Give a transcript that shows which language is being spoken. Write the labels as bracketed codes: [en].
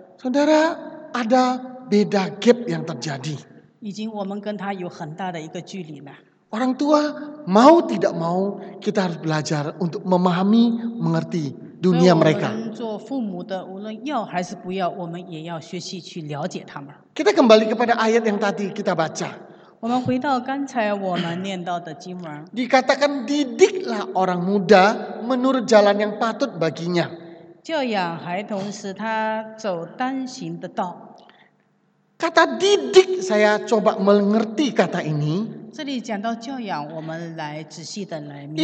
[id] Saudara, ada beda gap yang terjadi. [zh] 已经我们跟他有很大的一个距离了。 [id] Orang tua mau tidak mau kita harus belajar untuk memahami, mengerti dunia mereka. [zh] 所以我们做父母的，无论要还是不要，我们也要学习去了解他们。 [id] Kita kembali kepada ayat yang tadi kita baca. [zh] 我们回到刚才我们念到的经文。 [id] Dikatakan didiklah orang muda menurut jalan yang patut baginya. [zh] 教养孩童使他走当行的道。 [id] Kata didik, saya coba mengerti kata ini. [zh] 这里讲到教养，我们来仔细的来明白。